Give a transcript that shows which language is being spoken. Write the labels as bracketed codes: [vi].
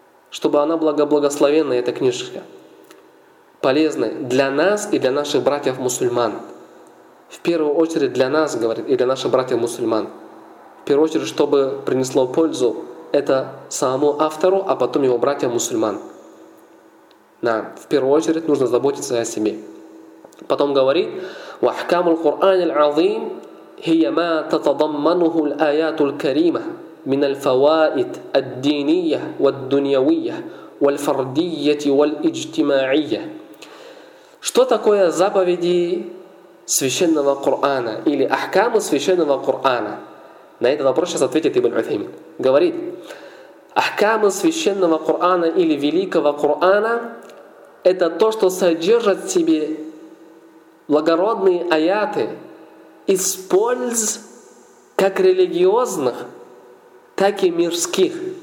[ru] Чтобы она была благословенной, эта книжечка, полезной для нас и для наших братьев-мусульман. В первую очередь для нас, говорит, и для наших братьев-мусульман. В первую очередь, чтобы принесло пользу это самому автору, а потом его братьям-мусульман. Да, в первую очередь нужно заботиться о себе. Потом говорит: [ar] وأحكام القرآن العظيم هي ما تتضمنه الآيات الكريمة من الفوائد الدينية والدنيوية والفردية والاجتماعية. [ru] Что такое заповеди священного Корана или ахкамы священного Корана? На этот вопрос сейчас ответит Ибн Утаймин. Говорит: ахкамы священного Корана или великого Корана — это то, что содержит в себе благородные аяты из польз как религиозных, так и мирских.